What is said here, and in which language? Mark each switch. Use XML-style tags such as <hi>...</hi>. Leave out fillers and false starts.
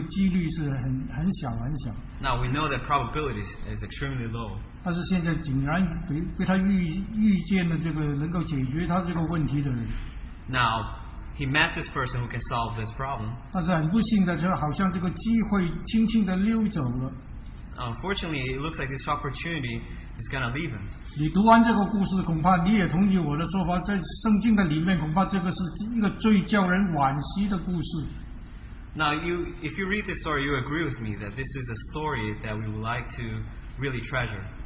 <zh>那肯定你的同意这个几率是很小很小。</zh> <en>Now we know that probability is extremely low.</en> <zh>但是现在竟然被他遇见了这个能够解决他这个问题的人。</zh> <en>Now he met this person who can solve this problem.</en> <zh>但是很不幸的就好像这个机会轻轻地溜走了。</zh> <en>Unfortunately, it looks like this opportunity is going to leave him.</en> <zh>你读完这个故事，恐怕你也同意我的说法，在圣经的里面，恐怕这个是一个最叫人惋惜的故事。</zh> <en>Now, if you read this story, you agree with me that this is a story that we would like to really treasure.</en>